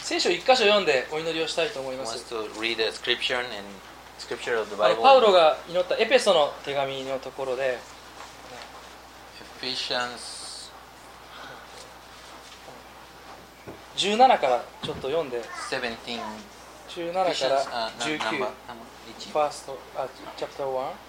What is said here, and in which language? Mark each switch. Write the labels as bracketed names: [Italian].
[Japanese] 聖書一箇所読んでお祈りをしたいと思います。 [English] He wants to read the scripture andScripture of the Bible. [Japanese] パウロが祈ったエペソの手紙のところで、 [English] エフィシャンス [Japanese] 17からちょっと読んで、17から 19、 [English] ファースト、チャプター1、